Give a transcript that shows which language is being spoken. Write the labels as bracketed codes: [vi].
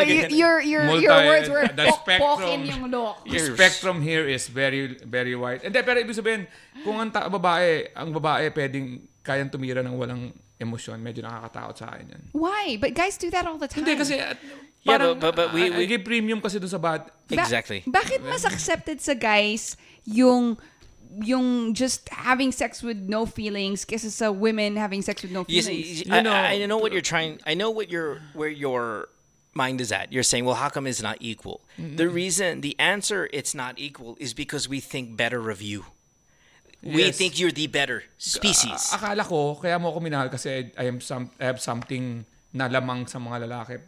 [en] Your words were spectrum, yung look. The spectrum here is very, very wide. And then, [tl] pero ibig sabihin, kung ang babae, pwedeng kayang tumira ng walang emosyon. Medyo nakakatakot sa akin yan. [en] Why? But guys do that all the time. [tl] Hindi, kasi... [en] But we give premium kasi dun sa bad. Exactly. [tl] Bakit mas [en] accepted sa guys yung just having sex with no feelings kasi sa women having sex with no feelings? I know what you're trying. I know what where your mind is at. You're saying, well, how come it's not equal? Mm-hmm. The reason, the answer it's not equal is because we think better of you. Yes. We think you're the better species. [tl] Akala ko, kaya mo ako minahal kasi [en] I have something [tl] na lamang sa mga lalaki.